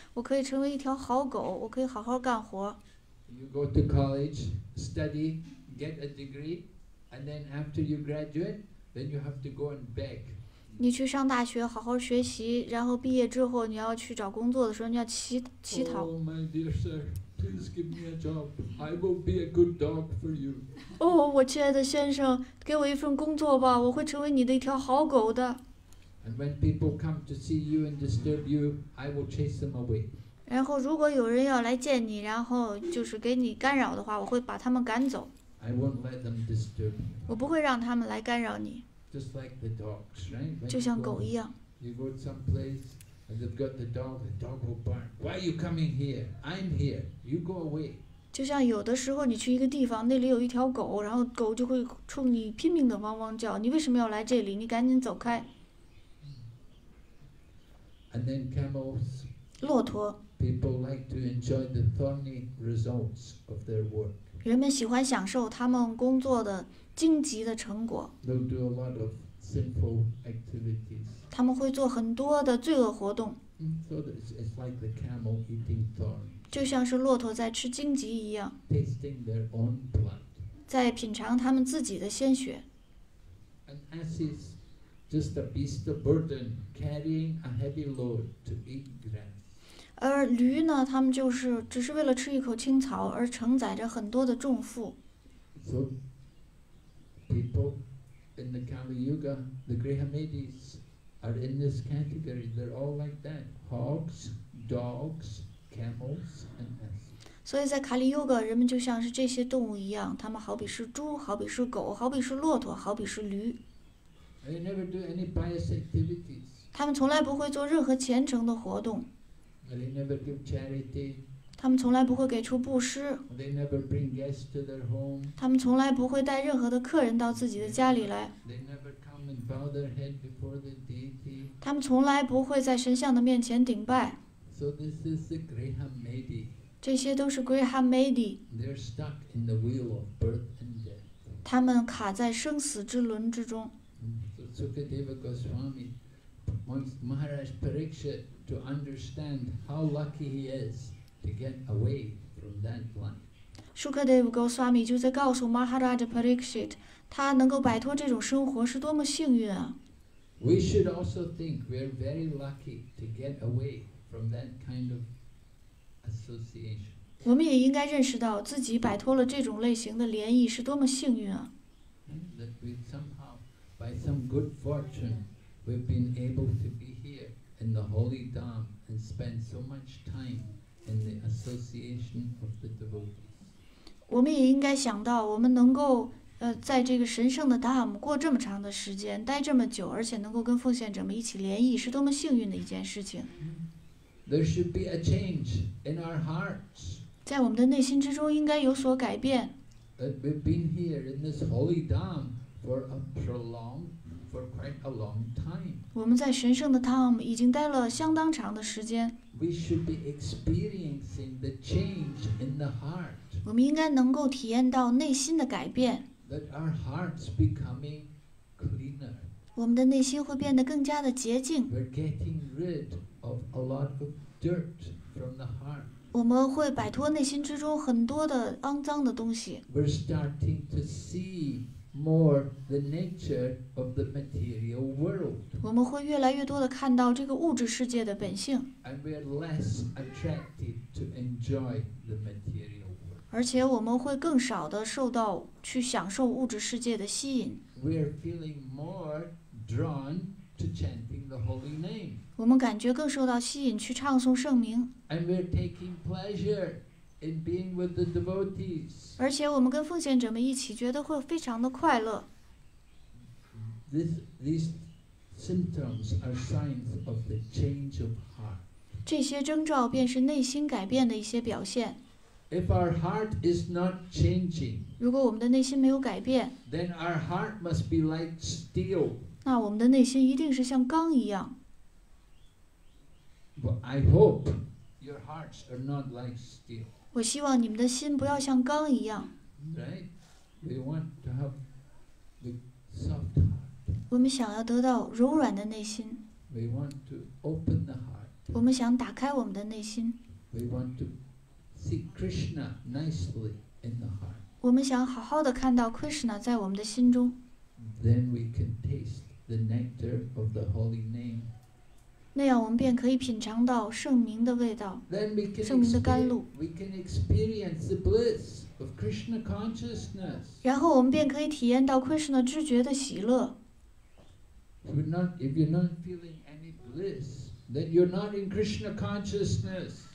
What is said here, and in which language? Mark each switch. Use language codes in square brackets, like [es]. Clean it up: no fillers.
[zh] 我可以成为一条好狗，我可以好好干活。 [en] You go to college, study, get a degree, and then after you graduate, then you have to go and beg. [zh] 你去上大学，好好学习，然后毕业之后，你要去找工作的时候，你要乞讨。 [en] Oh, my dear sir, please give me a job. I will be a good dog for you. [zh] 哦、oh, ，我亲爱的先生，给我一份工作吧，我会成为你的一条好狗的。 [en] And when people come to see you and disturb you, I will chase them away. [zh] 然后，如果有人要来见你，然后就是给你干扰的话，我会把他们赶走。 [en] I won't let them disturb you. [zh] 我不会让他们来干扰你。 [en] just like the dogs, right? Like [zh] 就像狗一样。 [en] You go someplace and they've got the dog will bark. Why are you coming here? I'm here. You go away. [zh] 就像有的时候你去一个地方，那里有一条狗，然后狗就会冲你拼命的汪汪叫。你为什么要来这里？你赶紧走开。 [en] And then camels. [zh] 骆驼。 [en] People like to enjoy the thorny results of their work. [zh] 人们喜欢享受他们工作的荆棘的成果。 [en] They'll do a lot of sinful activities. [zh] 他们会做很多的罪恶活动。 [en] So it's like the camel eating thorns. [zh] 就像是骆驼在吃荆棘一样。 [en] Tasting their own blood. [zh] 在品尝他们自己的鲜血。 [en] And as is just a beast of burden carrying a heavy load to eat grass. [zh] 而驴呢，他们就是只是为了吃一口青草而承载着很多的重负。 [en] So, people in the Kali Yuga, the Grihamedis are in this category. They're all like that: hogs, dogs, camels, and asses. [zh] 所以在卡利优格，人们就像是这些动物一样，他们好比是猪，好比是狗，好比是骆驼，好比是驴。 [en] They never do any pious activities. [zh] 他们从来不会做任何虔诚的活动。 [en] They never give charity. [zh] 他们从来不会给出布施。 [en] They never bring guests to their home. [zh] 他们从来不会带任何的客人到自己的家里来。 [en] They never come and bow their head before the deity. [zh] 他们从来不会在神像的面前顶拜。 [en] So this is the Grihamedi. [zh] 这些都是 Grihamedi. [en] They're stuck in the wheel of birth and death. [zh] 他们卡在生死之轮之中。 [en] So Sukadeva Goswami wants Maharaj Parikshit. To understand how lucky he is to get away from that life. [zh] Shukadev Goswami 就在告诉 Maharaj Parikshit, 他能够摆脱这种生活是多么幸运啊！ [en] We should also think we are very lucky to get away from that kind of association. [zh] 我们也应该认识到自己摆脱了这种类型的涟漪是多么幸运啊！ [en] That we somehow, by some good fortune, we've been able to be here. In the holy dham and spend so much time in the association of the devotees. [zh] 我们也应该想到，我们能够在这个神圣的达姆过这么长的时间，待这么久，而且能够跟奉献者们一起联谊，是多么幸运的一件事情。 [en] There should be a change in our hearts. [zh] 在我们的内心之中应该有所改变。 [en] That we've been here in this holy dham for a prolonged. For quite a long time. [zh] 我们在神圣的 Tom 已经待了相当长的时间。 [en] We should be experiencing the change in the heart. [zh] 我们应该能够体验到内心的改变。 [en] That our hearts becoming cleaner. [zh] 我们的内心会变得更加的洁净。 [en] We're getting rid of a lot of dirt from the heart. [zh] 我们会摆脱内心之中很多的肮脏的东西。 [en] We're starting to see. More the nature of the material world. [zh] 我们会越来越多地看到这个物质世界的本性。 [en] And we are less attracted to enjoy the material world. [zh] 而且我们会更少地受到去享受物质世界的吸引。 [en] We are feeling more drawn to chanting the holy name. [zh] 我们感觉更受到吸引去唱诵圣名。 [en] And we are taking pleasure. In being with the devotees. [zh] 而且我们跟奉献者们一起觉得会非常的快乐。 [en] These symptoms are signs of the change of heart. [zh] 这些征兆便是内心改变的一些表现。 [en] If our heart is not changing, [zh] 如果我们的内心没有改变， [en] then our heart must be like steel. [zh] 那我们的内心一定是像钢一样。 [en] But I hope your hearts are not like steel. [zh] 我希望你们的心不要像钢一样。 [en] Right, we want to have the soft heart. [zh] 我们想要得到柔软的内心。 [en] We want to open the heart. [zh] 我们想打开我们的内心。 [en] We want to see Krishna nicely in the heart. [zh] 我们想好好的看到 Krishna 在我们的心中。 [en] Then we can taste the nectar of the holy name. [zh] 那样我们便可以品尝到圣名的味道，圣名的甘露。 [en] We can experience the bliss of Krishna consciousness. [zh] 然后我们便可以体验到 Krishna 知觉的喜乐。 [en] If you're not feeling any bliss, then you're not in Krishna consciousness.